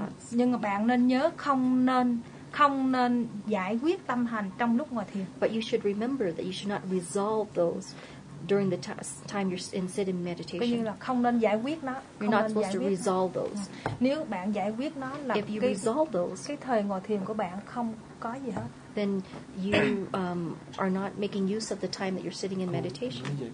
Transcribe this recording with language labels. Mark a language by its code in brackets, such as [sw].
[vi] Nhưng mà bạn nên nhớ không nên giải quyết tâm hành trong lúc ngồi thiền. [en] But you should remember that you should not resolve those during the time you're in sitting meditation. [vi] Coi như là không nên giải quyết nó. [en] You're not supposed to resolve those. [vi] Nếu bạn giải quyết nó là [en] if you resolve those, [vi] cái thời ngồi thiền của bạn không có gì hết. [en] Then you are not making use of the time that you're sitting in meditation.